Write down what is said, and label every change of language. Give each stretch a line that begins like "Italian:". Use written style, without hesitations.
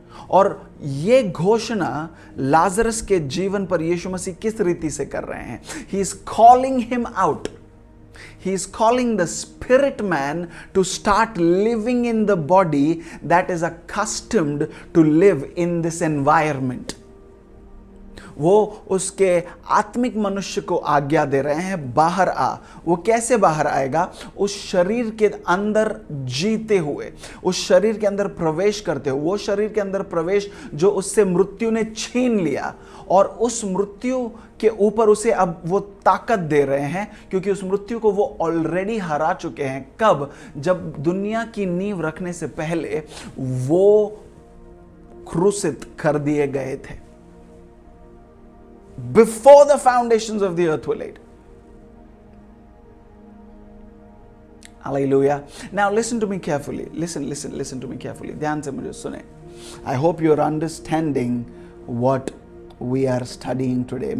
Hindi: और ये घोषणा लाजरस के जीवन पर यीशु मसीह किस रीति से कर रहे हैं?
English: He is calling him out. He is calling the spirit man to start living in the body that is accustomed to live in this environment.
Hindi: वो उसके आत्मिक मनुष्य को आज्ञा दे रहे हैं, बाहर आ. वो कैसे बाहर आएगा? उस शरीर के अंदर जीते हुए, उस शरीर के अंदर प्रवेश करते हुए, वो शरीर के अंदर प्रवेश जो उससे मृत्यु ने छीन लिया. और उस मृत्यु के ऊपर उसे अब वो ताकत दे रहे हैं, क्योंकि उस मृत्यु को वो ऑलरेडी हरा चुके हैं. कब? जब दुनिया की नींव रखने से पहले वो क्रूसित कर दिए गए थे.
English: Before the foundations of the earth were laid. Hallelujah. Now listen to me carefully. Listen to me carefully.
Hindi: Dhyan se mujhe sune.
English: I hope you are understanding what we are studying today.